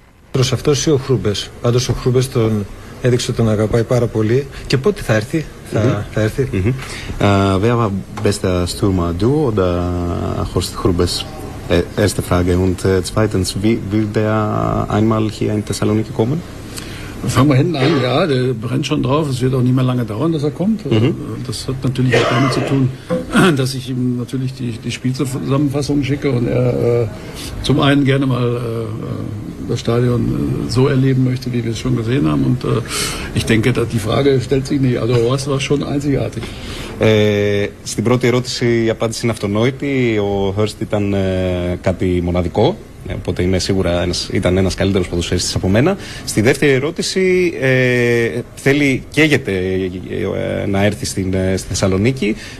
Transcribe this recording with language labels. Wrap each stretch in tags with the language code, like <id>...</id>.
<el>Προς αυτός ή ο Χρούμπες. Πάντως ο Χρούμπες τον έδειξε ότι τον αγαπάει πάρα πολύ. Και πότε θα έρθει, θα έρθει.</el> <de>Wer war bester Stürmer, du oder Horst Hrubes? Erste Frage. Und zweitens, wie will der einmal hier in Thessaloniki kommen? Fangen wir hinten an, ja, der brennt schon drauf. Es wird auch nicht mehr lange dauern, dass er kommt. Mhm. Das hat natürlich auch damit zu tun, dass ich ihm natürlich die Spielzusammenfassung schicke und er zum einen gerne mal das Stadion so erleben möchte, wie wir es schon gesehen haben. Und ich denke, dass die Frage stellt sich nicht. Also Horst war schon einzigartig.</de> <el>Στην πρώτη ερώτηση η απάντηση είναι αυτονόητη. Ο Hurst ήταν κάτι μοναδικό. Οπότε είναι σίγουρα ήταν ένας καλύτερος ποδοσφαιριστής από μένα. Στη δεύτερη ερώτηση, θέλει, καίγεται να έρθει στη Θεσσαλονίκη.</el>